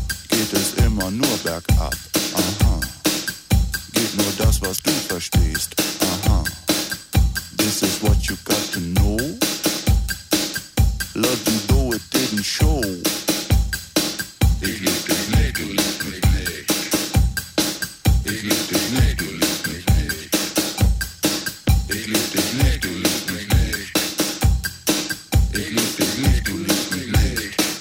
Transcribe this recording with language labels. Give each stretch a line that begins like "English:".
German: Geht es immer nur bergab, aha. Geht nur das, was du verstehst, aha.
English: This is what you got to know. Love you though it didn't show.
German: Ich lieb dich nicht, du liebst mich nicht. Ich lieb dich nicht, du liebst mich nicht. Ich lieb dich nicht, du liebst mich nicht. Ich lieb dich nicht, du liebst mich nicht.